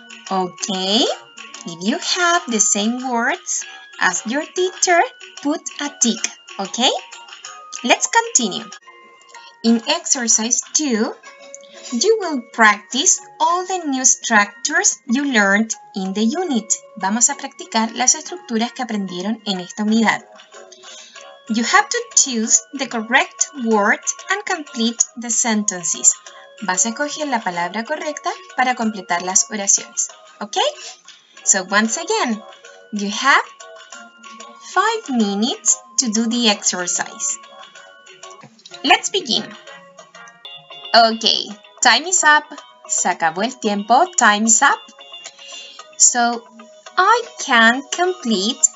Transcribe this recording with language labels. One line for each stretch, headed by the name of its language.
English: Okay, if you have the same words as your teacher, put a tick. Okay, let's continue. In exercise 2, you will practice all the new structures you learned in the unit.
Spanish: Vamos a practicar las estructuras que aprendieron en esta unidad.
English: You have to choose the correct word and complete the sentences.
Spanish: Vas a escoger la palabra correcta para completar las oraciones.
English: Okay? So once again, you have 5 minutes to do the exercise. Let's begin. Okay, time is up.
Spanish: Se acabó el tiempo.
English: Time is up. So, I can complete.